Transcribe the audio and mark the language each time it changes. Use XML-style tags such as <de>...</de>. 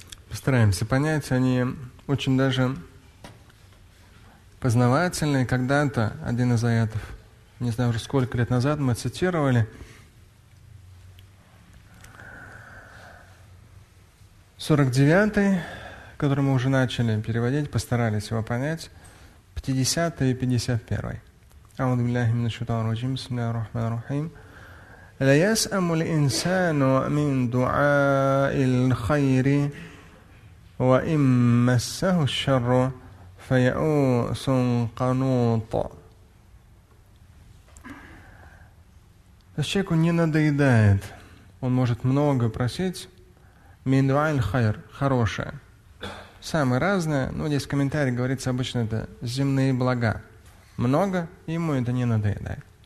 <ru>Постараемся понять, они очень даже познавательные. Когда-то один из аятов, не знаю уже сколько лет назад, мы цитировали. 49-й, который мы уже начали переводить, постарались его понять. 50-й и 51-й.</ru> <ar>أعوذ بالله من الشيطان الرجيم بسم الله الرحمن الرحيم لا يسأم الإنسان من دعاء الخير وإن مسه الشر فيئوس قنوط.</ar> <ru>Человеку не надоедает, он может много просить. Мин дуа аль-хайр — хорошее, самое разное. Ну, здесь в комментарии говорится, обычно это земные блага. Много, ему это не надоедает.</ru>